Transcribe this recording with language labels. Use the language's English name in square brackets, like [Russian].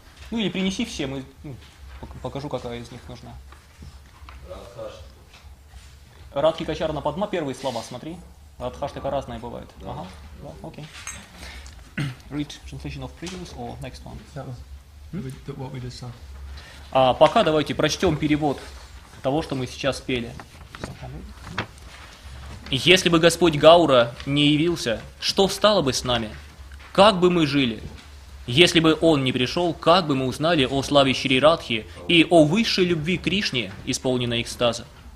[Russian] Ну или принеси все, мы покажу, какая из них нужна. Радхи Качарана Падма, первые слова, смотри. Радхаштака разные бывают. Ага, да, окей. [English] Read translation of previous or next one? What we just saw. [Russian] А пока давайте прочтем перевод того, что мы сейчас пели. Если бы Господь Гаура не явился, что стало бы с нами? Как бы мы жили? Если бы Он не пришел, как бы мы узнали о славе Шри Радхи и о высшей любви Кришне, исполненной экстаза?